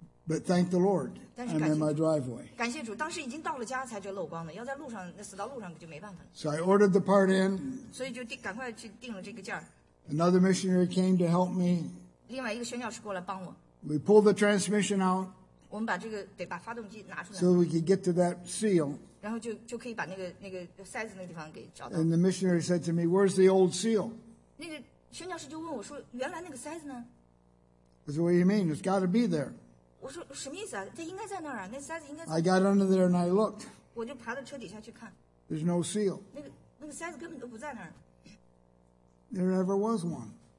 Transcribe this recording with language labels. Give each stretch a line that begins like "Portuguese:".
English: But thank the Lord, I'm in my driveway.
Chinese: 感谢主，当时已经到了家才这漏光的，要在路上那死到路上就没办法了。
English: So I ordered the part in.
Chinese: 所以就定赶快去定了这个件儿。
English: Another missionary came to help me.
Chinese: 另外一个宣教士过来帮我。
English: We pulled the transmission out.
Chinese: 我们把这个得把发动机拿出来。
English: So we could get to that seal.
Chinese: 然后就可以把那个塞子那个地方给找到。
English: And the missionary said to me, "Where's the old seal?"
Chinese: 那个宣教士就问我说，原来那个塞子呢？
English: I said, "What do you mean? It's got to be there." I got under there and I looked. There's no seal. There never was one.